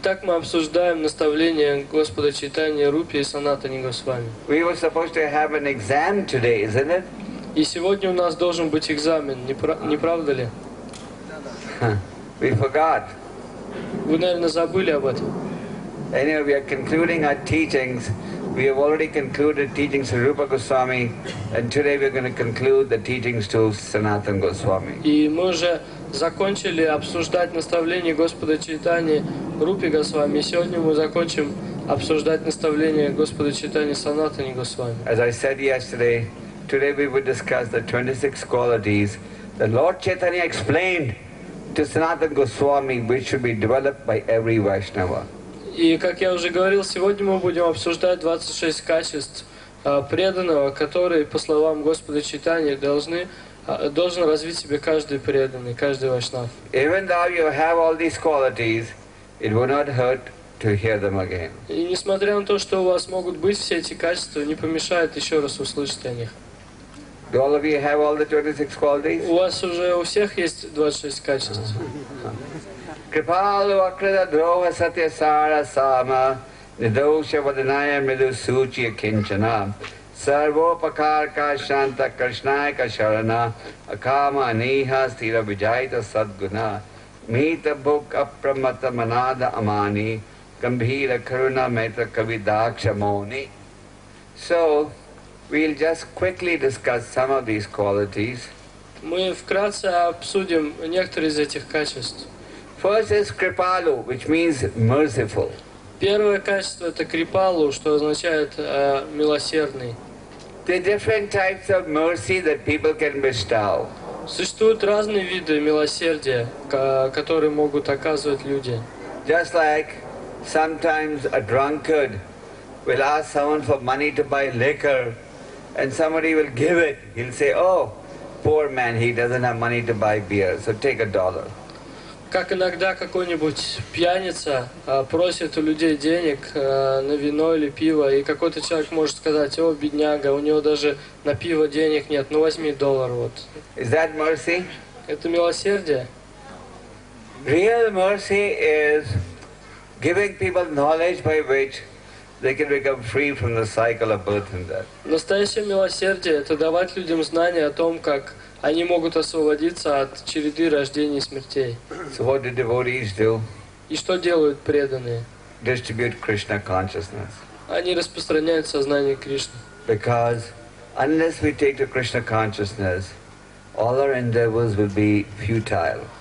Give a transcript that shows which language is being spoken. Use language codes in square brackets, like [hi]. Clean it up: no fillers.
[ru] Итак, мы обсуждаем наставления Господа Чайтаньи Рупи и Санатани Госвами. [en] We were supposed to have an exam today, isn't it? [ru] И сегодня у нас должен быть экзамен, не правда ли? [en] We forgot. [ru] Вы, наверное, забыли об этом. [en] Anyway, we are concluding our teachings. We have already concluded teachings to Rupa Goswami, and today we are going to conclude the teachings to Sanatan Goswami. [ru] И мы уже закончили обсуждать наставления Господа Чайтаньи Рупи Госвами. Сегодня мы закончим обсуждать наставления Господа Чайтаньи Санатани Госвами. [en] As I said yesterday, today we will discuss the 26 qualities that Lord Chaitanya explained to Sanatan Goswami, which should be developed by every Vaishnava. [ru] И, как я уже говорил, сегодня мы будем обсуждать 26 качеств преданного, которые, по словам Господа Чайтаньи, должен развить себе каждый преданный, каждый вайшнав. [en] Even though you have all these qualities, it will not hurt to hear them again. [ru] И несмотря на то, что у вас могут быть все эти качества, не помешает еще раз услышать о них. [en] Do all of you have all the 26 qualities? [ru] У вас уже у всех есть 26 качеств. [sa] Kripalu akrita drova satya sara sama nidosha vadanaya midu suchi akinchana sarvopakarka shanta krishnayaka sharana akama aniha sthira vijayita sadguna mita buk apramata manada amani gambhira karuna maitra kavidaksha moni. [en] So we'll just quickly discuss some of these qualities. [ru] Мы вкратце обсудим некоторые из этих качеств. [en] First is Kripalu, which means merciful. [ru] Первое качество это Kripalu, что означает милосердный. [en] There are different types of mercy that people can bestow. [ru] Существуют разные виды милосердия, которые могут оказывать люди. [en] Just like sometimes a drunkard will ask someone for money to buy liquor, and somebody will give it. He'll say, "Oh, poor man, he doesn't have money to buy beer, so take a dollar." [ru] Как иногда какой-нибудь пьяница просит у людей денег на вино или пиво, и какой-то человек может сказать: «О, бедняга, у него даже на пиво денег нет, ну возьми доллар вот». [en] Is that mercy? [ru] Это милосердие? [en] Real mercy is giving people knowledge by which they can become free from the cycle of birth and death. [ru] Настоящее милосердие – это давать людям знания о том, как они могут освободиться от череды рождений и смертей. [en] So what do devotees do? [ru] И что делают преданные? [en] Distribute Krishna consciousness. [ru] Они распространяют сознание Кришны. [en] Because unless we take to Krishna consciousness, all our endeavors will be futile.